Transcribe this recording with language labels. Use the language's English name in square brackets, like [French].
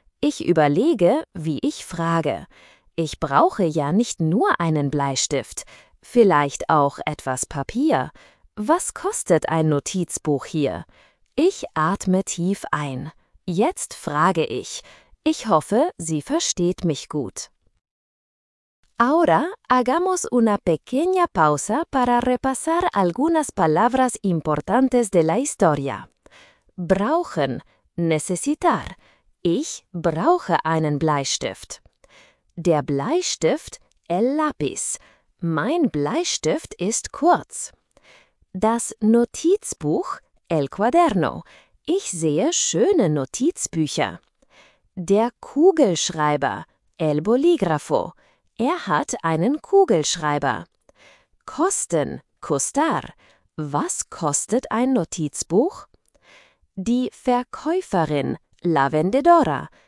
[German] Ich überlege, wie ich frage. Ich brauche ja nicht nur einen Bleistift, vielleicht auch etwas Papier. Was kostet ein Notizbuch hier? Ich atme tief ein. Jetzt frage ich. Ich hoffe, sie versteht mich gut. [Spanish] Ahora hagamos una pequeña pausa para repasar algunas palabras importantes de la historia. [German] Brauchen, necesitar. Ich brauche einen Bleistift. Der Bleistift, [Spanish] el lápiz. [German] Mein Bleistift ist kurz. Das Notizbuch, [Spanish] el cuaderno. [German] Ich sehe schöne Notizbücher. Der Kugelschreiber, [Spanish] el bolígrafo. [German] Er hat einen Kugelschreiber. Kosten, costar. Was kostet ein Notizbuch? Die Verkäuferin, [Spanish] la vendedora.